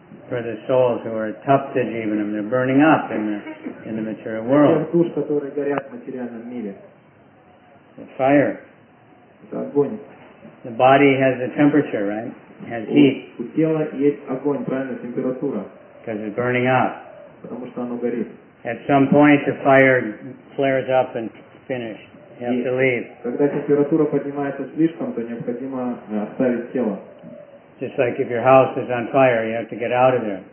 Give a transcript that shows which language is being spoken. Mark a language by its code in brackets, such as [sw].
[en] For the souls who are tapta jivanam, they're burning up in the material world. [ru] Для душ, которые горят в материальном мире. [en] The fire. [ru] Это огонь. [en] The body has a temperature, right? It has heat. [ru] У тела есть огонь, правильно, температура. [en] Because it's burning up. [ru] Потому что оно горит. [en] At some point, the fire flares up and finished. You have to leave. [ru] Когда температура поднимается слишком, то необходимо оставить тело. [en] Just like if your house is on fire, you have to get out of there.